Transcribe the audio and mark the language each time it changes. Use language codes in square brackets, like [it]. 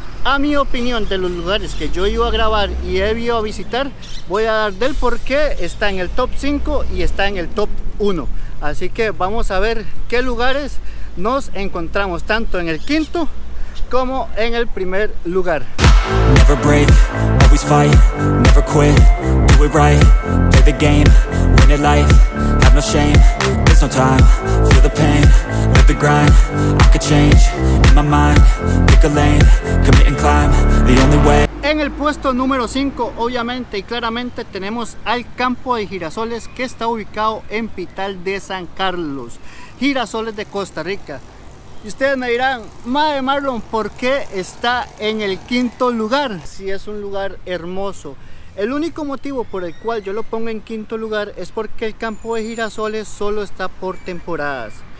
[es] A mi opinión, de los lugares que yo iba a grabar y he ido a visitar, voy a dar del por qué está en el top 5 y está en el top 1. Así que vamos a ver qué lugares nos encontramos, tanto en el quinto como en el primer lugar. [en] Never break, always fight, never quit, do it right, play the game, win it life, have no shame, there's no time, feel the pain, live the grind, I could change, in my mind, pick a lane, commit and climb, the only way. [es] En el puesto número 5, obviamente y claramente, tenemos al Campo de Girasoles, que está ubicado en Pital de San Carlos, Girasoles de Costa Rica. Y ustedes me dirán, madre Marlon, ¿por qué está en el quinto lugar? Sí, es un lugar hermoso. El único motivo por el cual yo lo pongo en quinto lugar es porque el Campo de Girasoles solo está por temporadas.